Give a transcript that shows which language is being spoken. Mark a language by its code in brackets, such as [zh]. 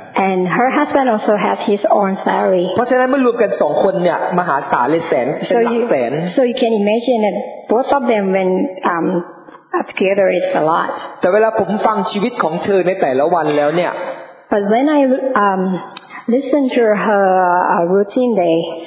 [en] And her husband also has his own salary. [th] เพราะฉะนั้นเมื่อรวมกันสองคนเนี่ยมหาศาลเลยแสนเป็นหลักแสน [en] So you can imagine that both of them when together it's a lot. [th] แต่เวลาผมฟังชีวิตของเธอในแต่ละวันแล้วเนี่ย [en] But when I listen to her routine day.